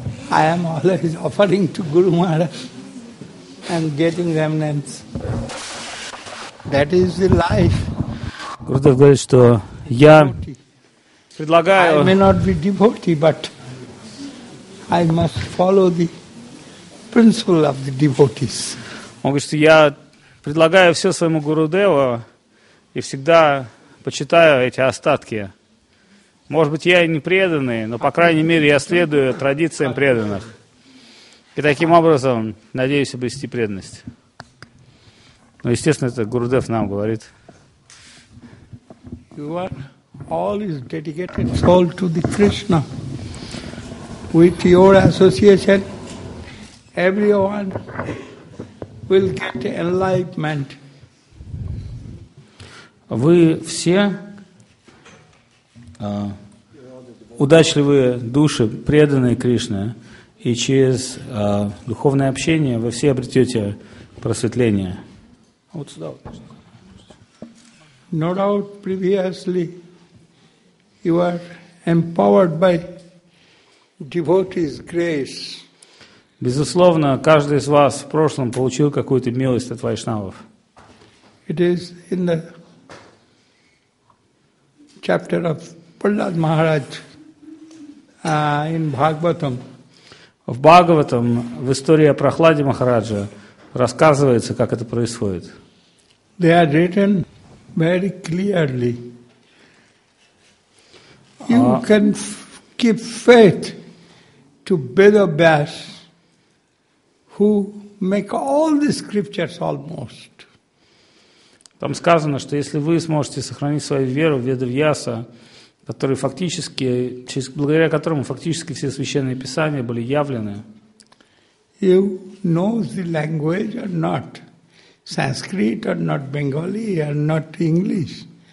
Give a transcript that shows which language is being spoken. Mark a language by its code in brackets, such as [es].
[en] I am always offering to Guru Maharaj and getting remnants. That is the life. [ru] Gurudev говорит, что я предлагаю... [en] I may not be devotee, but I must follow the principle of the devotees. [ru] Он говорит, что я предлагаю все своему Гурудеву и всегда почитаю эти остатки. Может быть, я и не преданный, но, по крайней мере, я следую традициям преданных. И таким образом надеюсь обрести преданность. Ну, естественно, это Гурудев нам говорит. [en] You are always dedicated soul to the Krishna. With your association, everyone will get enlightenment. [ru] Вы все удачливые души, преданные Кришне, и через духовное общение вы все обретете просветление. Вот сюда вот. [en] No doubt previously you are empowered by devotee's grace. [ru] Безусловно, каждый из вас в прошлом получил какую-то милость от вайшнавов. [en] It is in the chapter of Prahlad Maharaj in Bhagavatam. [ru] В Бхагаватам, в истории о Прохладе Махараджа, рассказывается, как это происходит. [en] They are written very clearly. You can keep faith to Vedavyas, who make all the scriptures almost. [ru] Там сказано, что если вы сможете сохранить свою веру в Ведавьяса, который фактически, благодаря которому фактически все священные писания были явлены. [en] You know the language or not? Sanskrit or not Bengali or not English?